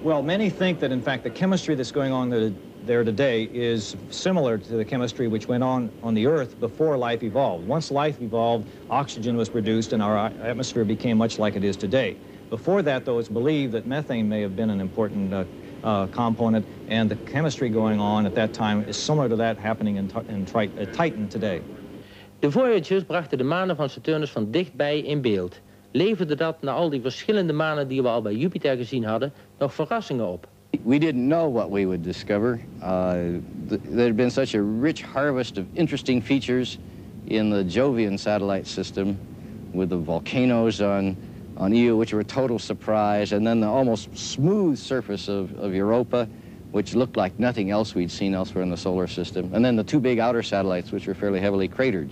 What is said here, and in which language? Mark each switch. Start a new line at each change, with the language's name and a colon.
English: Well, many think that, in fact, the chemistry that's going on there today is similar to the chemistry which went on the Earth before life evolved. Once life evolved, oxygen was produced and our atmosphere became much like it is today. Before that, though, it's believed that methane may have been an important component, and the chemistry going on at that time is similar to that happening in Titan today.
Dutch: De Voyagers brachten de manen van Saturnus van dichtbij in beeld. Leverde dat na al die verschillende manen die we al bij Jupiter gezien hadden nog verrassingen op?
English: We didn't know what we would discover. There had been such a rich harvest of interesting features in the Jovian satellite system, with the volcanoes on Io, which were a total surprise, and then the almost smooth surface of Europa, which looked like nothing else we'd seen elsewhere in the solar system, and then the two big outer satellites, which were fairly heavily cratered.